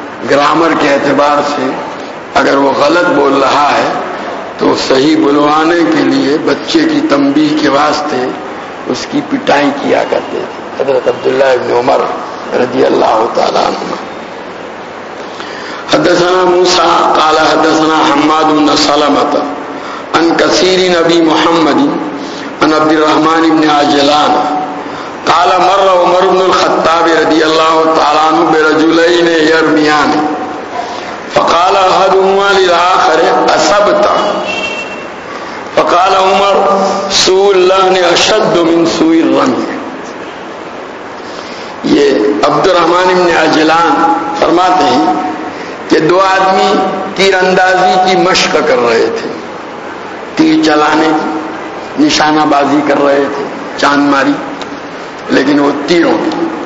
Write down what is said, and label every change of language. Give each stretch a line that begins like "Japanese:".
Urdu: Grammar کے اعتبار سے اگر وہ غلط بول رہا ہے تو صحیح بلوانے کے لیے بچے کی تنبیہ کے واسطے اس کی پٹائی کیا کرتے تھے حضرت عبداللہ ابن عمر رضی اللہ تعالی عنہ.
Arabic: حدثنا موسیٰ قال حدثنا حماد بن سلمۃ عن کثیر نبی محمد عن عبد الرحمن بن عجلان قال مر عمر بن الخطاب رضی اللہ تعالی عنہ برجلین یرمیان فقال احدهما للآخر أسبت, فقال عمر سوء اللحن اشد من سوء الرمی.
Urdu: یہ عبد الرحمن بن عجلان فرماتے ہیں کہ دو آدمی تیر اندازی کی مشق کر رہے تھے، تیر چلانے کی، نشانہ بازی کر رہے تھے، چاند ماری، لیکن وہ تیروں کی.